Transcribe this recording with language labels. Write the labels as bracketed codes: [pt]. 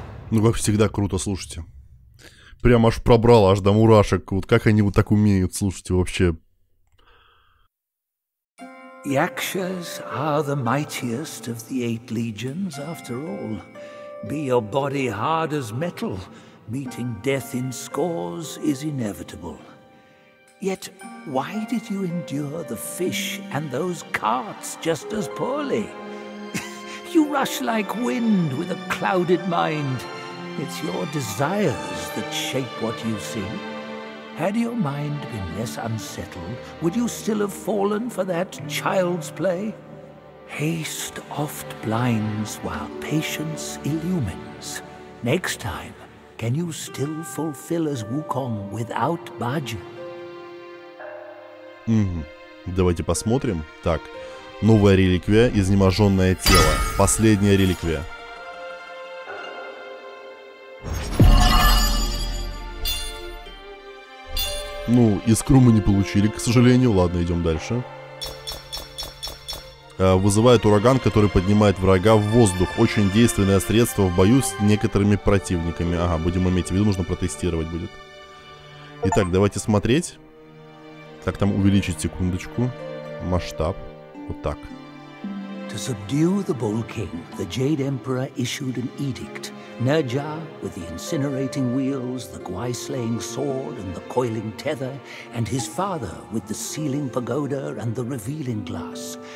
[ru] Ну, как всегда, круто, слушайте. Прям аж пробрало, аж до мурашек. Вот как они вот так умеют, слушайте, вообще. [en] Yakshas are the mightiest of the eight legions, after all. Be your body hard as metal, meeting death in scores is inevitable. Yet, why did you endure the fish and those carts just as poorly? You rush like wind with a clouded mind. It's your desires that shape what you see. Had your mind been less unsettled, would you still have fallen for that child's play? Haste oft blinds, while patience illumines. Next time, can you still fulfill as Wukong without Баджи? [ru] Давайте посмотрим. Так, новая реликвия, изнеможенное тело. Последняя реликвия. Ну, искру мы не получили, к сожалению. Ладно, идем дальше. Вызывает ураган, который поднимает врага в воздух. Очень действенное средство в бою с некоторыми противниками. Ага, будем иметь в виду, нужно протестировать будет. Итак, давайте смотреть. Как там увеличить, секундочку. Масштаб. Вот так. [en] To subdue the Bull King, the Jade Emperor issued an edict. Nerja, with the incinerating wheels, the Gwai-slaying sword and the coiling tether, and his father with the sealing pagoda and the revealing glass.